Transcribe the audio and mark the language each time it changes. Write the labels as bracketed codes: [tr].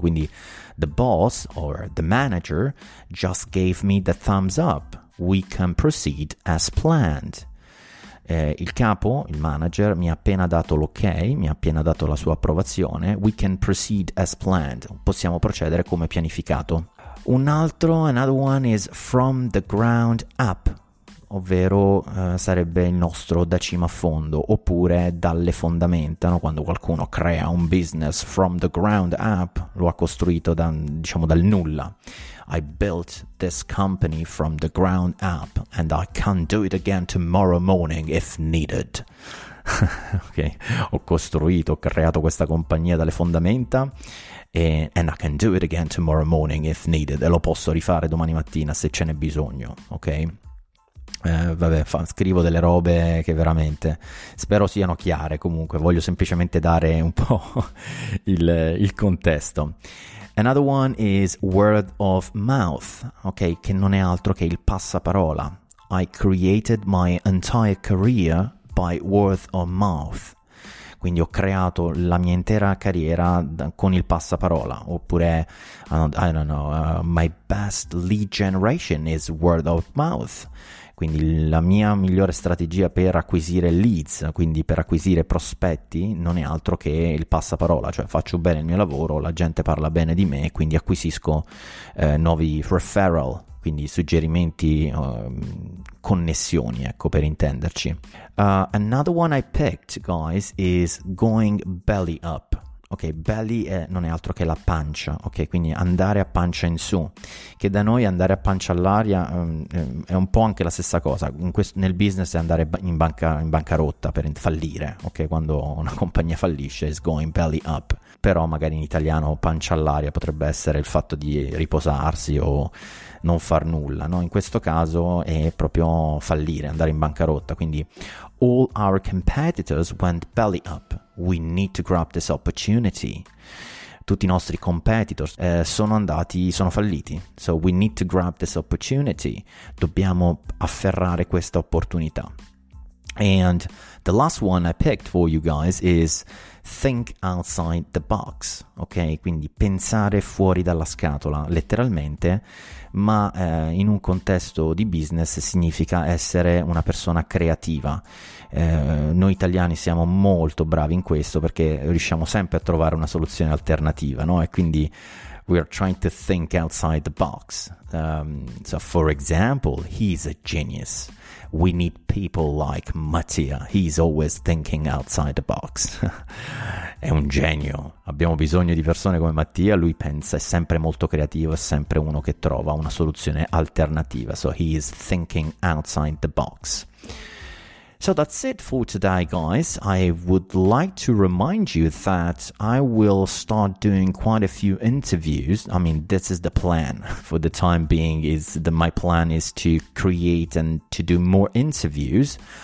[en] Quindi the boss or the manager just gave me the thumbs up, we can proceed as planned. [it] Il capo, il manager, mi ha appena dato l'ok, mi ha appena dato la sua approvazione, [en] we can proceed as planned, [it] possiamo procedere come pianificato. [en] Another one is from the ground up, [it] ovvero sarebbe il nostro da cima a fondo, oppure dalle fondamenta, no? Quando qualcuno crea un business from the ground up, lo ha costruito dal nulla. [en] I built this company from the ground up, and I can do it again tomorrow morning if needed. [it] Ok, ho costruito, ho creato questa compagnia dalle fondamenta, [en] and I can do it again tomorrow morning if needed, [it] e lo posso rifare domani mattina se ce n'è bisogno, ok? Scrivo delle robe che veramente spero siano chiare. Comunque voglio semplicemente dare un po' il contesto. [en] Another one is word of mouth, [it] ok, che non è altro che il passaparola. [en] I created my entire career by word of mouth, [it] quindi ho creato la mia intera carriera con il passaparola, [en] oppure my best lead generation is word of mouth. [it] Quindi la mia migliore strategia per acquisire leads, quindi per acquisire prospetti, non è altro che il passaparola, cioè faccio bene il mio lavoro, la gente parla bene di me, quindi acquisisco nuovi referral, quindi suggerimenti, connessioni, ecco, per intenderci. [en] Another one I picked, guys, is going belly up. [it] Ok, belly non è altro che la pancia, ok, quindi andare a pancia in su, che da noi andare a pancia all'aria è un po' anche la stessa cosa, nel business è andare in bancarotta per fallire, ok, quando una compagnia fallisce [en] is going belly up, [it] però magari in italiano pancia all'aria potrebbe essere il fatto di riposarsi o non far nulla, no? In questo caso è proprio fallire, andare in bancarotta, quindi [en] all our competitors went belly up. We need to grab this opportunity. [it] Tutti i nostri competitors sono falliti. [en] So we need to grab this opportunity. [it] Dobbiamo afferrare questa opportunità. [en] And the last one I picked for you guys is think outside the box. [it] Ok, quindi pensare fuori dalla scatola, letteralmente, ma in un contesto di business significa essere una persona creativa. Noi italiani siamo molto bravi in questo perché riusciamo sempre a trovare una soluzione alternativa, no? E quindi [en] we are trying to think outside the box. So for example, he's a genius. We need people like Mattia. He's always thinking outside the box. [it] È un genio. Abbiamo bisogno di persone come Mattia. Lui pensa, è sempre molto creativo, è sempre uno che trova una soluzione alternativa. [en] So he is thinking outside the box. So that's it for today, guys. I would like to remind you that I will start doing quite a few interviews. I mean, this is the plan for the time being, is that my plan is to create and to do more interviews.